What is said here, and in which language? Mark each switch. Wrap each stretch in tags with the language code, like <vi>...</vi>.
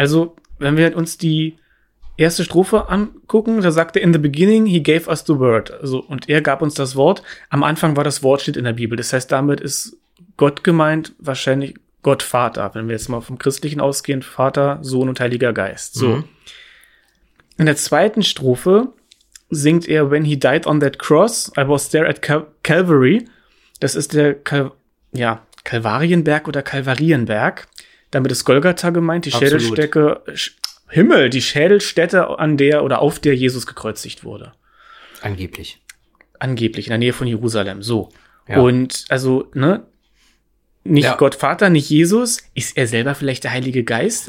<de>Also wenn wir uns die erste Strophe angucken, da sagt er,</de> <en>in the beginning he gave us the word.</en> <de>Also, und er gab uns das Wort. Am Anfang war das Wort, steht in der Bibel. Das heißt, damit ist Gott gemeint, wahrscheinlich Gott Vater. Wenn wir jetzt mal vom Christlichen ausgehen, Vater, Sohn und Heiliger Geist. So. Mhm. In der zweiten Strophe singt er,</de> <en>when he died on that cross, I was there at Calvary.</en> <de>Das ist der Kalvarienberg oder Kalvarienberg. Damit ist Golgatha gemeint, die Schädelstecke. Himmel, die Schädelstätte, an der oder auf der Jesus gekreuzigt wurde. Angeblich. Angeblich, in der Nähe von Jerusalem, so. Ja. Und also, ne, nicht ja. Gott Vater, nicht Jesus, ist er selber vielleicht der Heilige Geist?</de>